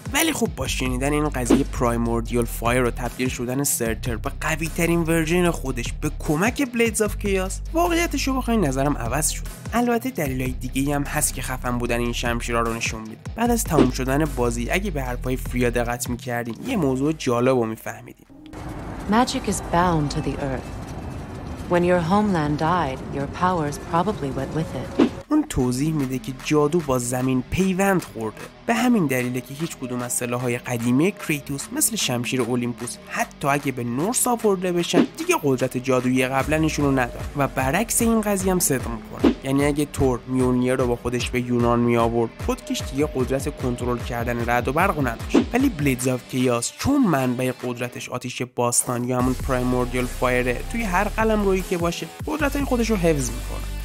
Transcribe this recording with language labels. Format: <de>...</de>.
<fa>ولی خب با شنیدن این قضیه پرایموردیال فایر و تبدیل شدن سرتر به قوی ترین ورژن خودش به کمک بلیدز آف کیاس، واقعیتشو بخوای نظرم عوض شد. البته دلایل دیگه هم هست که خفن بودن این شمشیرا رو نشون میده. بعد از تموم شدن بازی اگه به حرفای فریا دقت میکردیم یه موضوع جالبو میفهمیدیم.</fa> <en>Magic is bound to the earth. When your homeland died, your powers probably went with it.</en> <fa>اون توضیح میده که جادو با زمین پیوند خورده. به همین دلیله که هیچ کدوم از سلاح‌های قدیمی کریتوس مثل شمشیر اولیمپوس حتی اگه به نورس آورده بشن دیگه قدرت جادویی قبلنشون رو نداره و برعکس این قضیه هم صدق میکنه. یعنی اگه تور میونیر رو با خودش به یونان می آورد خودکش دیگه قدرت کنترل کردن رعد و برق نداشت، ولی بلیدز آف کیاس چون منبع قدرتش آتش باستان یا همون پرایموردیال فایره توی هر قلمرویی که باشه قدرت‌های خودش رو حفظ میکنه.</fa>